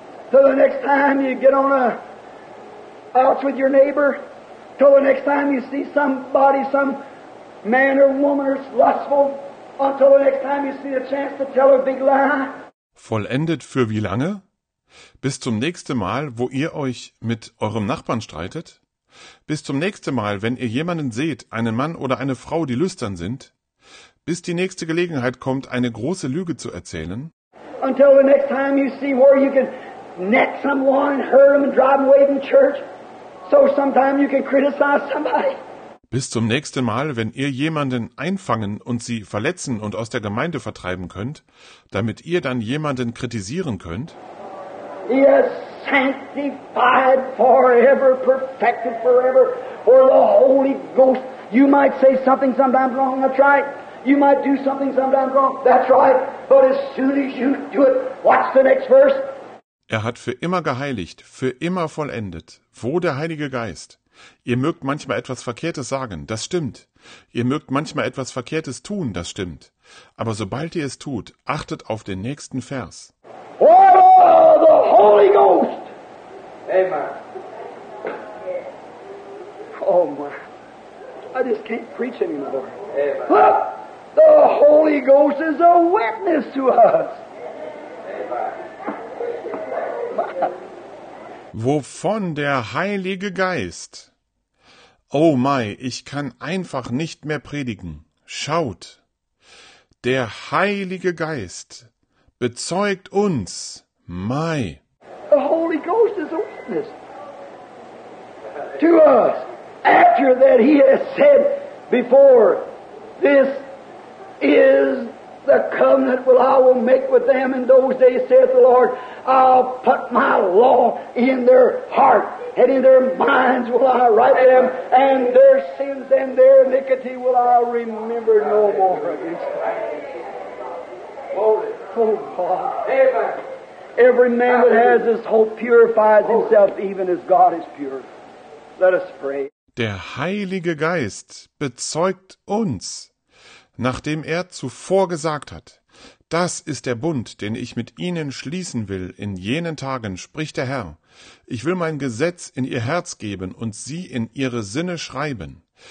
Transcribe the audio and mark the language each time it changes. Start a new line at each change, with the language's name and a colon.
English: Till the next time you get on a ouch with your neighbor, till the next time you see somebody, some man or woman is lustful, until the next time you see a chance to tell a big lie.
German: Vollendet für wie lange? Bis zum nächsten Mal, wo ihr euch mit eurem Nachbarn streitet? Bis zum nächsten Mal, wenn ihr jemanden seht, einen Mann oder eine Frau, die lüstern sind? bis die nächste Gelegenheit kommt, eine große Lüge zu erzählen.
English: Until the next time you see where you can net someone, hurt them and drive them away from church, so sometime you can criticize somebody.
German: Bis zum nächsten Mal, wenn ihr jemanden einfangen und sie verletzen und aus der Gemeinde vertreiben könnt, damit ihr dann jemanden kritisieren könnt.
English: Yes, sanctified forever, perfected forever, or the Holy Ghost. You might say something sometimes wrong, that's right. You might do something sometimes wrong, that's right. But as soon as you do it, watch the next verse.
German: Er hat für immer geheiligt, für immer vollendet. Wo der Heilige Geist? Ihr mögt manchmal etwas Verkehrtes sagen, das stimmt. Ihr mögt manchmal etwas Verkehrtes tun, das stimmt. Aber sobald ihr es tut, achtet auf den nächsten Vers.
English: What of the Holy Ghost? Amen. Oh my, I just can't preach anymore. Amen. Look, the Holy Ghost is a witness to us.
German: Wovon der Heilige Geist? Oh mein, ich kann einfach nicht mehr predigen. Schaut, der Heilige Geist bezeugt uns, mein.
English: The Holy Ghost is a witness to us. After that he has said before, this is the covenant will I will make with them in those days, saith the Lord. I'll put my law in their heart, and in their minds will I write them, and their sins and their iniquity will I remember no more against them. Holy. Oh God. Amen. Every man that has this hope purifies himself even as God is pure. Let us pray.
German: Der Heilige Geist bezeugt uns. Nachdem er zuvor gesagt hat, das ist der Bund, den ich mit ihnen schließen will in jenen Tagen, spricht der Herr. Ich will mein Gesetz in ihr Herz geben und sie in ihre Sinne schreiben.